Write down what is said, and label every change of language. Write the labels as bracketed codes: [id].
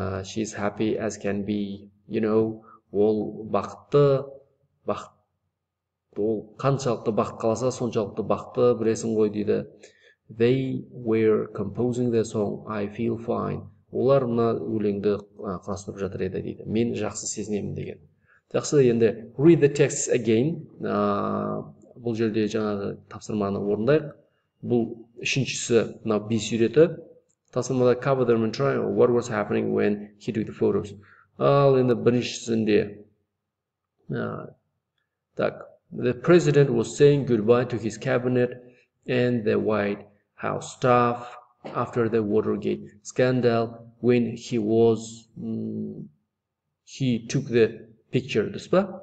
[en] She's happy as can be, you know, [kk] ол бақытты, ол қаншалықты бақыт қаласа, соншалықты бақытты білесің ғой дейді. [en] They were composing the song, I feel fine. [kk] Олар мына өлеңді құрастырып жатыр еді дейді. Мен жақсы сезінемін деген. Жақсы, енді [en] read the text again. [kk] Бұл жерде жаңағы тапсырманы орындайық. Бұл үшіншісі, мынау B сүреті. [en] Тапсырмада cover them and try what was happening when he took the photos. [kk] Ал енді біріншісінде. Так. [en] The president was saying goodbye to his cabinet and the White House staff after the Watergate scandal when he took the picture, дұрыс па?